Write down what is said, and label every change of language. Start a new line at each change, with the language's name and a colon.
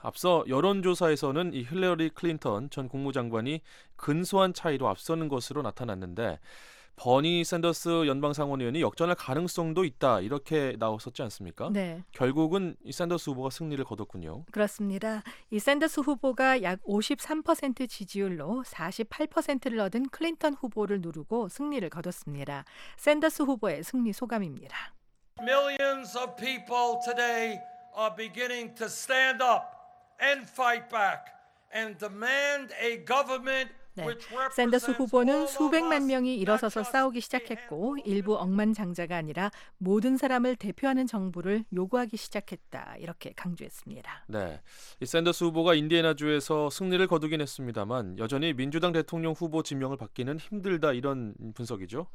Korean: 앞서 여론조사에서는 이 힐러리 클린턴 전 국무장관이 근소한 차이로 앞서는 것으로 나타났는데 버니 샌더스 연방상원의원이 역전할 가능성도 있다 이렇게 나왔었지 않습니까? 네. 결국은 이 샌더스 후보가 승리를 거뒀군요. 그렇습니다. 이 샌더스 후보가 약 53% 지지율로 48%를 얻은 클린턴 후보를 누르고 승리를 거뒀습니다. 샌더스 후보의 승리 소감입니다.
English: Millions of people today are beginning to stand up and fight back and demand a government.
Korean: 네. 샌더스 후보는 수백만 명이 일어서서 싸우기 시작했고 일부 억만장자가 아니라 모든 사람을 대표하는 정부를 요구하기 시작했다 이렇게 강조했습니다. 네, 이 샌더스 후보가 인디애나주에서 승리를 거두긴 했습니다만 여전히 민주당 대통령 후보 지명을 받기는 힘들다 이런 분석이죠?